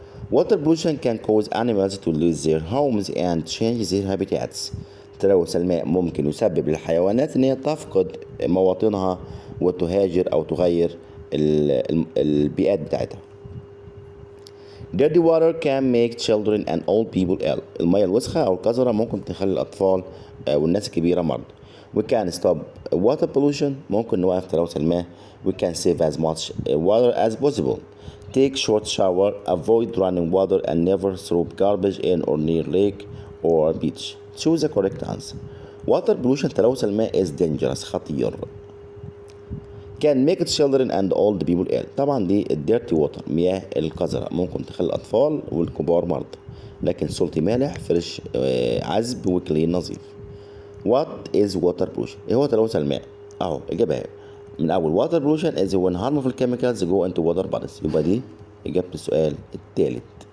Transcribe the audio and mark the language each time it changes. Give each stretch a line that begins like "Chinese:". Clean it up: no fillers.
English: Water pollution can cause animals to lose their homes and change their habitats.
Arabic: تلوث الماء ممكن يسبب للحيوانات أنها تفقد مواطنها وتهاجر أو تغير البيئات بتاعتها.
English: Dirty water can make children and old people ill.
Arabic: الماء الوسخة أو القذرة ممكن تخلي الأطفال والناس الكبيرة مرض.
English: We can stop water pollution.
Arabic: ممكن نوقف تلوث الماء.
English: We can save as much water as possible. Take short shower. Avoid running water and never throw garbage in or near lake or beach. Choose the correct answer. Water pollution,
Arabic: تلوث الماء,
English: is dangerous, خطير. Can make children and old people ill.
Arabic: طبعا دي
English: dirty water,
Arabic: مياه القذرة, ممكن تخلي الأطفال والكبار مرض. لكن salty مالح, fresh عذب وكلين نظيف.
English: What is water pollution?
Arabic: إيه هو تلوث الماء؟ أهو إجابة من أول.
English: Water pollution is when harmful chemicals go into water bodies.
Arabic: يبقى دي إجابة السؤال الثالث.